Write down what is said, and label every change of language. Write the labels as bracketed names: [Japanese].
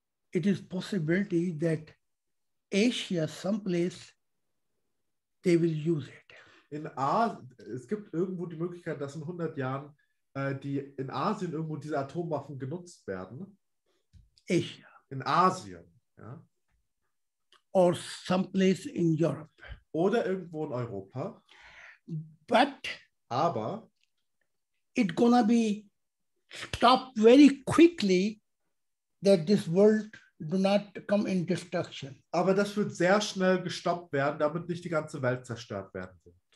[English] It is possibility that Asia, someplace, they will use it. [German] In es gibt irgendwo die Möglichkeit, dass in 100 Jahren die in Asien irgendwo diese Atomwaffen genutzt werden. [English] Asia. [German] In Asien, ja. [English] Or someplace in Europe. [German] Oder irgendwo in Europa. [English] But. [German] Aber. [English] It gonna be stopped very quickly that this world do not come in destruction. [German] Aber das wird sehr schnell gestoppt werden, damit nicht die ganze Welt zerstört werden wird.